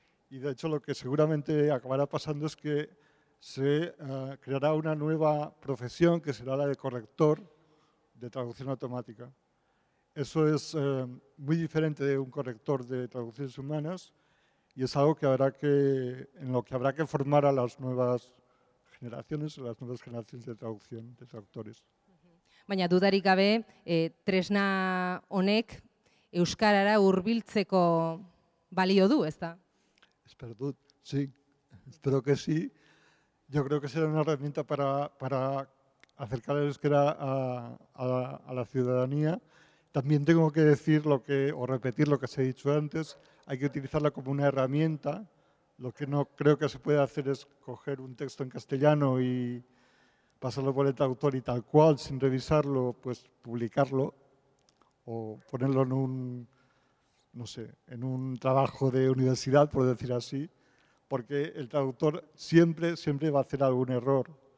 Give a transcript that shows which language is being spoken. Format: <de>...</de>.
<es>Y de hecho lo que seguramente acabará pasando es que se creará una nueva profesión que será la de corrector de traducción automática. Eso es muy diferente de un corrector de traducciones humanas y es algo que habrá que formar a las nuevas generaciones, a las nuevas generaciones de traducción, de traductores.</es> <eu>Baina dudarik gabe, tresna honek euskarara hurbiltzeko balio du, ezta? Espero dut,</eu> <es>sí. Espero que sí. Yo creo que será una herramienta para acercar el euskera a la ciudadanía. También tengo que decir o repetir lo que se ha dicho antes, hay que utilizarla como una herramienta. Lo que no creo que se puede hacer es coger un texto en castellano y pasarlo por el traductor y tal cual, sin revisarlo, pues publicarlo o ponerlo en un trabajo de universidad, por decir así, porque el traductor siempre va a hacer algún error.</es>